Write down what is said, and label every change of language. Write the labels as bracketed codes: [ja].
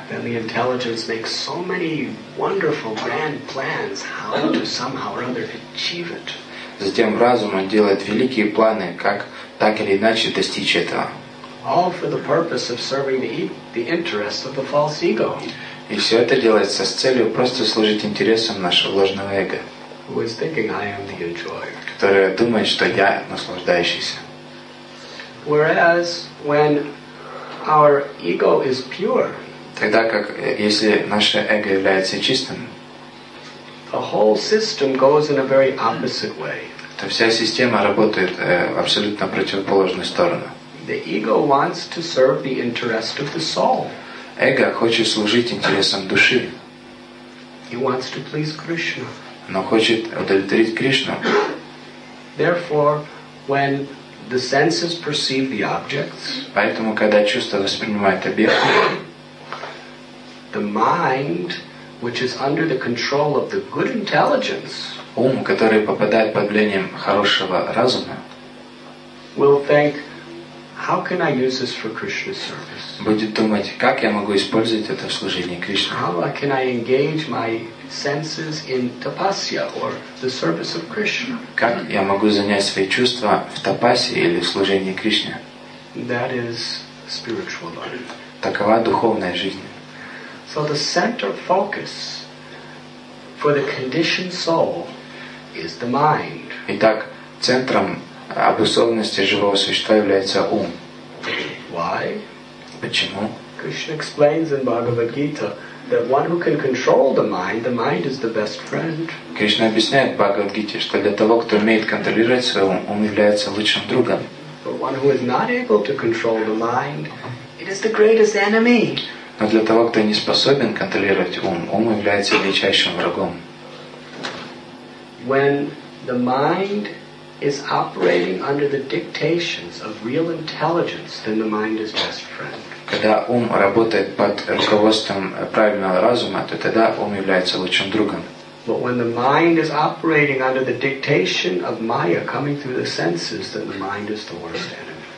[en] Then the intelligence makes so many wonderful grand plans how to somehow or other achieve it. [ru] Затем разум делает великие планы, как так или иначе достичь этого. [en] All for the purpose of serving the interests of the false ego. [ru] И все это делается с целью просто служить интересам нашего ложного эго. [en] Who is thinking I am the enjoyer? [ru] Которая думает, что я наслаждающийся. [en] Whereas when our ego is pure. [ru] Тогда как если наше эго является чистым. [en] The whole system goes in a very opposite way. [ru] То вся система работает абсолютно в противоположную сторону. [en] The ego wants to serve the interest of the soul. [ru] Эго хочет служить интересам души. [en] He wants to please Krishna. [ru] Но хочет удовлетворить Кришну. [en] Therefore, when the senses perceive the objects, [ru] поэтому когда чувства воспринимают объекты, [en] the mind, which is under the control of the good intelligence, [ru] ум, который попадает под влиянием хорошего разума, [en] will think, how can I use this for Krishna's service? [ru] Будет думать, как я могу использовать это в служении Кришне? [en] How can I engage my senses in tapasya or the service of Krishna? [ru] Как я могу занять свои чувства в тапасе или в служении Кришне? [en] That is spiritual life. [ru] Такова духовная жизнь. [en] So the center focus for the conditioned soul is the mind. [ru] Итак, центром обусловленности живого существа является ум. [en] Why? [ru] Почему? [en] Krishna explains in Bhagavad Gita that one who can control the mind is the best friend. [ru] Кришна объясняет в Бхагавад Гите, что для того, кто умеет контролировать свой ум, он является лучшим другом. [en] But one who is not able to control the mind, it is the greatest enemy. [ru] Но для того, кто не способен контролировать ум, ум является величайшим врагом. [en] When the mind is operating under the dictations of real intelligence, then the mind is best friend. [ru] Когда ум работает под руководством правильного разума, то тогда ум является лучшим другом. [en] But when the mind is operating under the dictation of Maya coming through the senses, then the mind is the worst enemy.